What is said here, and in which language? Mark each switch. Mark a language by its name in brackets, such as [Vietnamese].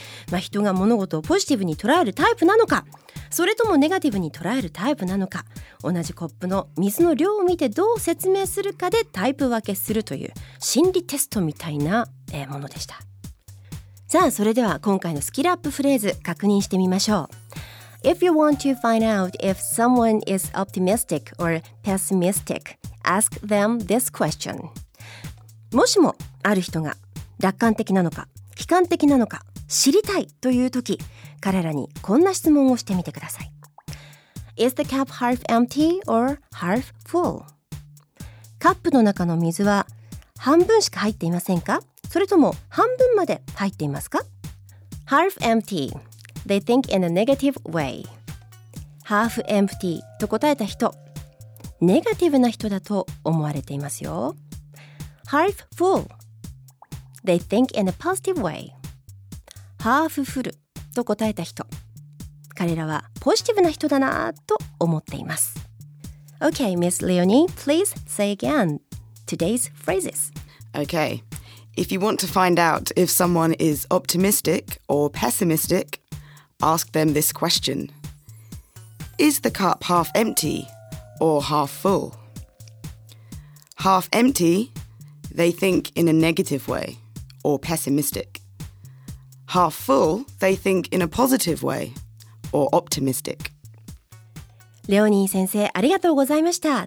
[Japanese] まあ、人が物事をポジティブに捉えるタイプなのか、それともネガティブに捉えるタイプなのか、同じコップの水の量を見てどう説明するかでタイプ分けするという心理テストみたいなものでした。さあ、それでは今回のスキルアップフレーズ確認してみましょう。 [English] If you want to find out if someone is optimistic or pessimistic, ask them this question. [Japanese] もしもある人が楽観的なのか悲観的なのか知りたいという時、彼らにこんな質問をしてみてください。 [English] Is the cup half empty or half full? [Japanese] カップの中の水は半分しか入っていませんか、それとも半分まで入っていますか。 [English] Half empty. They think in a negative way. Half empty [Japanese] と答えた人、ネガティブな人だと思われていますよ。 [English] Half full. They think in a positive way. [Japanese] ハーフフルと答えた人、彼らはポジティブな人だなと思っています。 [English] OK, Miss Leonie, please say again today's phrases. OK, if you want to find out if someone is optimistic or pessimistic, ask them this question. Is the cup half empty or half full? Half empty, they think in a negative way or pessimisticHalf full, they think in a positive way or optimistic. [Japanese] レオニー先生、ありがとうございました。